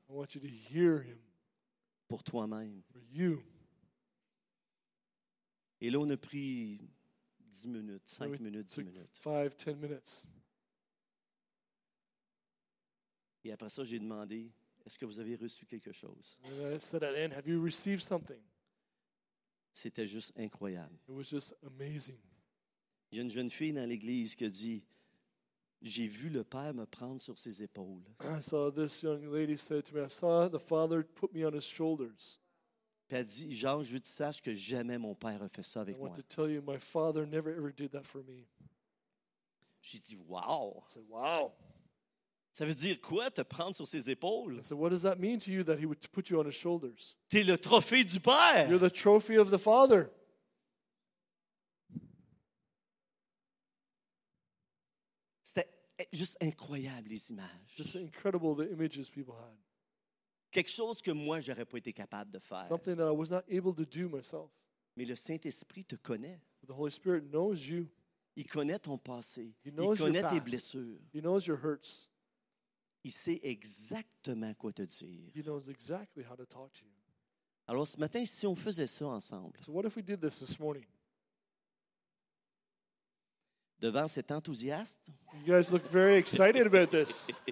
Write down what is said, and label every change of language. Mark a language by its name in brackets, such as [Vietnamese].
[English] I want you to hear him. [French] Pour toi-même. [English] For you. [French] Et là, on a pris 10 minutes, 5 minutes, 10 minutes. 5, 10 minutes. Et après ça, j'ai demandé, est-ce que vous avez reçu quelque chose? [English] And I said, at the end, have you received something? [French] C'était juste incroyable. [English] It was just amazing. [French] Il y a une jeune fille dans l'église qui dit, j'ai vu le Père me prendre sur ses épaules. [English] I saw this young lady said to me, I saw the Father put me on his shoulders. [French] Puis elle dit, Jean, je veux que tu saches que jamais mon Père a fait ça avec moi. I [English] want to tell you, my Father never ever did that for me. [French] J'ai dit, wow. [English] I said, wow. [French] Ça veut dire quoi, te prendre sur ses épaules? [English] I said, what does that mean to you that he would put you on his shoulders? [French] T'es le trophée du Père. [English] You're the trophy of the Father. [French] C'était juste incroyable, les images. [English] Just incredible, the images people had. [French] Quelque chose que moi, j'aurais pas été capable de faire. [English] Something that I was not able to do myself. [French] Mais le Saint-Esprit te connaît. [English] The Holy Spirit knows you. [French] Il connaît ton passé. Il connaît tes blessures. [English] He knows your hurts. [French] Il sait exactement quoi te dire. [English] He knows exactly how to talk to you. [French] Alors ce matin, si on faisait ça ensemble, [English] so what if we did this morning? [French] Devant cet enthousiaste, [English] you guys look very excited about this.